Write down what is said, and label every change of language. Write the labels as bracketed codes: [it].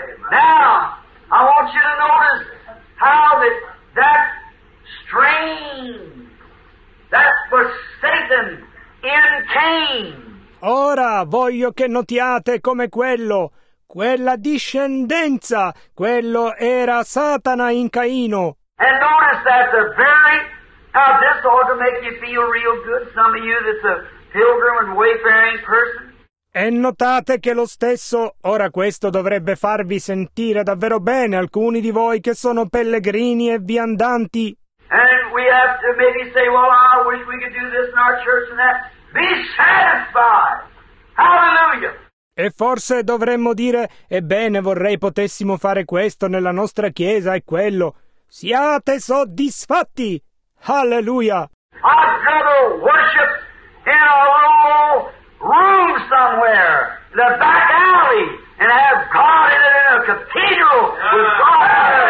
[en] Now, I want you to notice how that strange, that forsaken in Cain. [it] Ora voglio che notiate come quello, quella discendenza, quello era Satana in Caino. [en] And notice that the very... Now, this ought to make you feel real good, some of you that's a pilgrim and wayfaring person. [it] E notate che lo stesso, ora questo dovrebbe farvi sentire davvero bene alcuni di voi che sono pellegrini e viandanti. [en] And we have to maybe say, well, I wish we could do this in our church and that. Be satisfied! Hallelujah! [it] E forse dovremmo dire, ebbene, vorrei potessimo fare questo nella nostra chiesa e quello. Siate soddisfatti! Alleluia. [en] I'd rather worship in a little room somewhere, in a back alley, and have God in it in a cathedral with God.